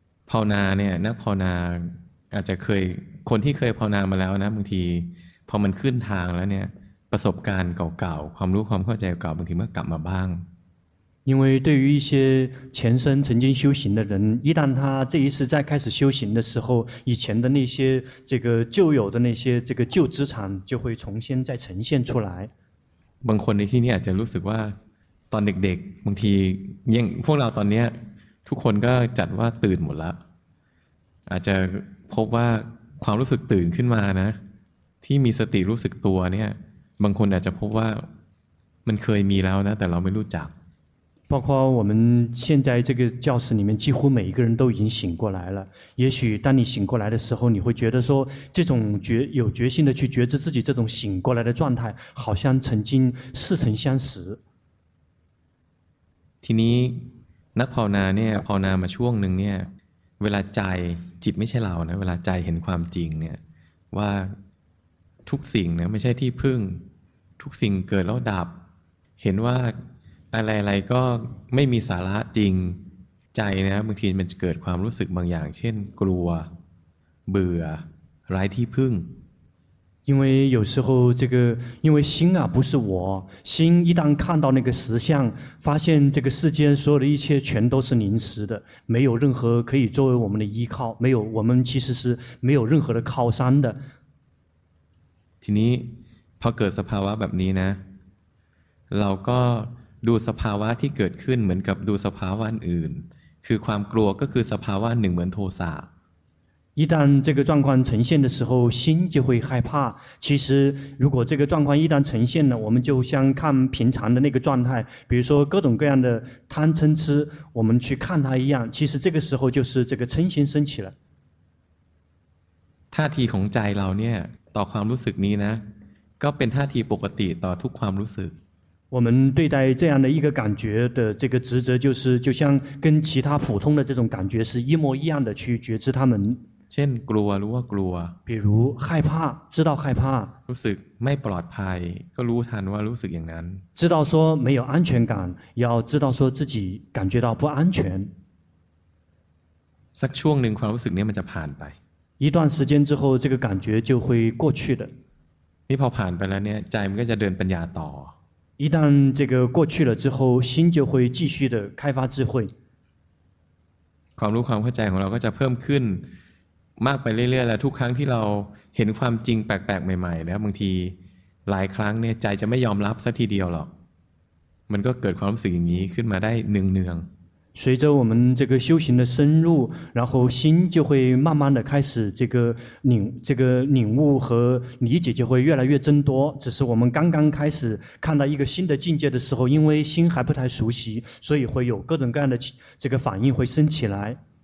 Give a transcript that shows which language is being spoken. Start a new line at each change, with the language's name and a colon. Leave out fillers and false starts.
Thai: ภาวนาเนี่ยนักภาวนาอาจจะเคยคนที่เคยภาวนามาแล้วนะบางทีพอมันขึ้นทางแล้วเนี่ยประสบการณ์เก่าๆความรู้ความเข้าใจเก่าบางทีมันกลับมาบ้าง
Chinese: 因为对于一些前生曾经修行的人一旦他这一次再开始修行的时候以前的那些这个旧有的那些这个旧资产就会重新再呈现出来
Thai: บางคนในที่นี้อาจจะรู้สึกว่าตอนเด็กๆบางทีอย่างพวกเราตอนนี้ทุกคนก็จัดว่าตื่นหมดแล้วอาจจะพบว่าความรู้สึกตื่นขึ้นมานะที่มีสติรู้สึกตัวเนี่ยบางคนอาจจะพบว่ามันเคยมีแล้วนะแต่เราไม่รู้จัก
Chinese: 包括我们现在这个教室里面几乎每一个人都已经醒过来了也许当你醒过来的时候你会觉得说这种有决心的去觉知自己这种醒过来的状态好像曾经似曾相识
Thai: ทีนี้นักภาวนาเนี่ยภาวนามาช่วงหนึ่งเนี่ยเวลาใจจิตไม่ใช่เรานะเวลาใจเห็นความจริงเนี่ยว่าทุกสิ่งเนี่ยไม่ใช่ที่พึ่งทุกสิ่งเกิดแล้วดับเห็นว่าอะไรๆก็ไม่มีสาระจริงใจนะบางทีมันจะเกิดความรู้สึกบางอย่างเช่นกลัวเบื่อไร้ที่พึ่ง
Chinese: 因为有时候这个因为心啊不是我心一旦看到那个实相发现这个世间所有的一切全都是临时的没有任何可以作为我们的依靠没有我们其实是没有任何的靠山的
Thai: ทีนี้พอเกิดสภาวะแบบนี้นะเราก็ดูสภาวะที่เกิดขึ้นเหมือนกับดูสภาวะอื่นคือความกลัวก็คือสภาวะหนึ่งเหมือนโทสะ
Chinese: 一旦这个状况呈现的时候，心就会害怕。其实如果这个状况一旦呈现了，我们就像看平常的那个状态，比如说各种各样的贪嗔痴，我们去看它一样，其实这个时候就是这个嗔心升起了。
Thai: ท่าทีของใจเราเนี่ยต่อความรู้สึกนี้นะก็เป็นท่าทีปกติต่อทุกความรู้สึก
Chinese: 我们对待这样的一个感觉的这个职责，就是就像跟其他普通的这种感觉是一模一样的，去觉知他们。
Thai: เช่นกลัวรู้ว่ากลัว
Chinese: 比如害怕，知道害怕。
Thai: รู้สึกไม่ปลอดภัยก็รู้ทันว่ารู้สึกอย่างนั้น
Chinese: 知道说没有安全感，要知道说自己感觉到不安全。
Thai: สักช่วงหนึ่งความรู้สึกนี้มันจะผ่านไป
Chinese: 一段时间之后，这个感觉就会过去的。
Thai: นี่พอผ่านไปแล้วเนี่ยใจมันก็จะเดินปัญญาต่อ
Chinese: 一旦这个过去了之后，心就会继续的开发智慧。
Thai: ความรู้ความเข้าใจของเราก็จะเพิ่มขึ้นมากไปเรื่อยๆแล้วทุกครั้งที่เราเห็นความจริงแปลกๆใหม่ๆแล้วบางทีหลายครั้งเนี่ยใจจะไม่ยอมรับสักทีเดียวหรอกมันก็เกิดความรู้สึกอย่างนี้ขึ้นมาได้เนืองๆ
Chinese: 随着我们这个修行的深入，然后心就会慢慢的开始这个领悟和理解就会越来越增多。只是我们刚刚开始看到一个新的境界的时候，因为心还不太熟悉，所以会有各种各样的这个反应会升起来。